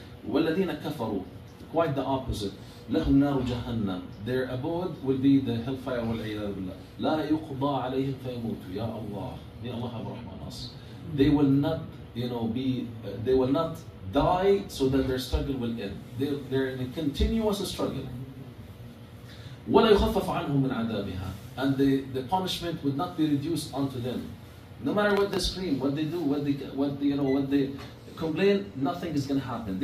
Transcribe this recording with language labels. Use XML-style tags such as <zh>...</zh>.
<ar>والذين كفروا,</ar> <en>quite the opposite.</en> <ar>لهم نار جهنم.</ar> <en>Their abode will be the hellfire</en> <ar>والعياذ بالله. لا يقضى عليهم فيموتوا. يا الله. يا الله have رحمة ناس.</ar> <en>They will not, they will not die so that their struggle will end. They're in a continuous struggle.</en> <ar>وَلَا يُخَفَّفَ عَنْهُمْ مِنْ عَذَابِهَا.</ar> <en>And the punishment would not be reduced unto them. No matter what they scream, what they do, what they complain, nothing is going to happen.</en>